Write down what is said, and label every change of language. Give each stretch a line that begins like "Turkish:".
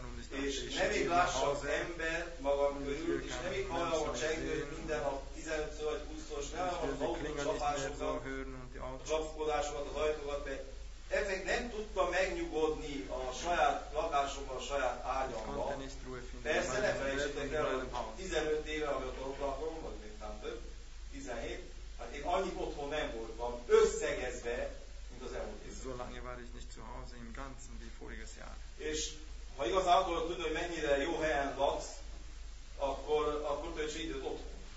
Hungarian: és nem így lássa az ember magam körül, és nem így hallja a csengőt minden nap 15-ször vagy 20-szor, nem hallja az autócsapásokat, csapkodásokat, az ajtókat, mert ezek nem tudta megnyugodni a saját lakásokban, a saját ágyamban. Persze, ne felejtsétek el, hogy 15 éve, ami ott lakom, vagy még talán több, 17, hát én annyi otthon nem voltam, összegezve, mint az elmúlt évben.
German: Solange war ich nicht zu Hause im ganzen wie voriges Jahr.
Hungarian: És ha igazán akarod tudni, hogy mennyire jó helyen laksz, akkor töltse időt otthon.